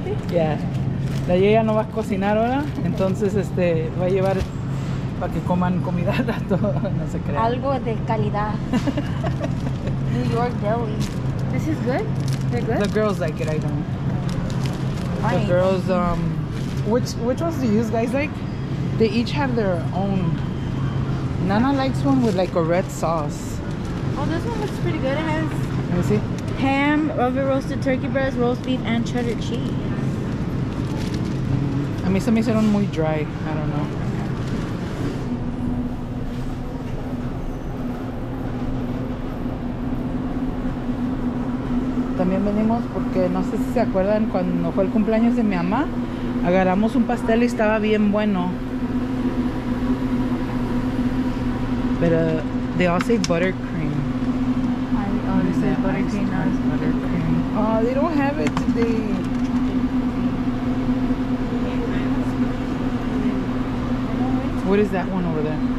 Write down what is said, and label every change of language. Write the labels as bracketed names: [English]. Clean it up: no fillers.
[Spanish] Ya. La Yeya no va a cocinar ahora, entonces va a llevar para que coman comida a todo, no se crean. Algo de calidad. New York deli. [English] This is good? The girls like it, I don't know. The girls, which ones do you guys like? They each have their own. Nana likes one with like a red sauce. Oh, this one looks pretty good. It has, let me see, ham, velvet roasted turkey breast, roast beef, and cheddar cheese. [Spanish] A mí se me hicieron muy [English] dry. I don't know. [Spanish] También venimos porque no sé si se acuerdan cuando fue el cumpleaños de mi mamá. Agarramos un pastel y estaba bien bueno. [English] But they all say buttercream. I always say buttercream, not as buttercream. Oh, they don't have it today. What is that one over there?